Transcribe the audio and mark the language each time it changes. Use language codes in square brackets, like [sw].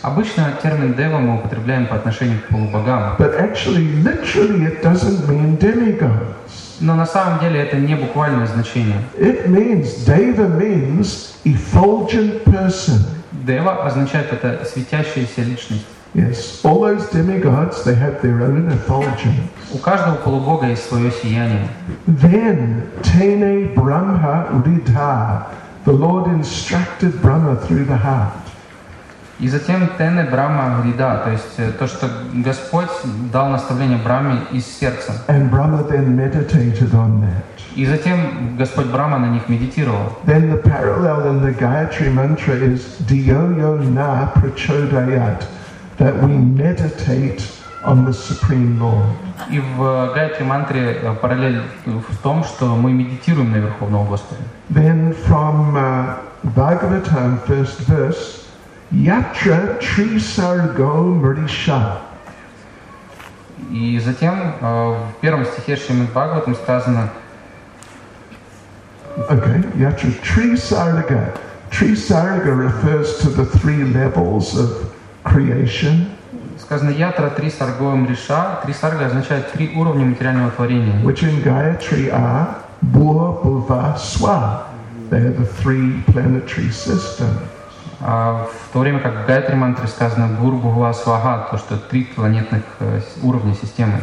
[ru] Обычно термин Дева мы употребляем по отношению к полубогам. [en] But actually, literally, it doesn't mean demigods. [ru] Но на самом деле это не буквальное значение. [en] It means Дева means effulgent person. [ru] Дева означает это светящаяся личность. [en] Yes, all those demigods, they have their own effulgence. [ru] У каждого полубога есть свое сияние. [en] Then, [sa] Tene Brahma Udita, [en] the Lord instructed Brahma through the heart. [ru] И затем [sa] Tene Brahma Udita, [ru] то есть то, что Господь дал наставление Брахме из сердца. [en] And Brahma then meditated on that. [ru] И затем Господь Брахма на них медитировал. [en] Then the parallel in the Gayatri mantra is [sa] Diyo Na Prachodayat. [en] That we meditate on the Supreme Lord. [ru] И в Гаятри мантре параллель в том, что мы медитируем на Верховного Господа. [en] Then from Bhagavatam first verse, [sa] Yatra Tri Sargo Mrisha. [ru] И затем в первом стихе Шримад Бхагаватам сказано. [en] Okay, [sa] Yatra Tri Sargo. [en] Trisarga refers to the three levels of creation. [ru] Сказано ятра три саргоем риша. Трисарга означает три уровня материального творения. [en] Which in Gayatri are [sa] Bhuva, Bhuva, Swa. [en] They are the three planetary systems. [ru] В то время как в Гаятри мантре сказано Бур, Бхува, Сваха, то что три планетных уровня системы.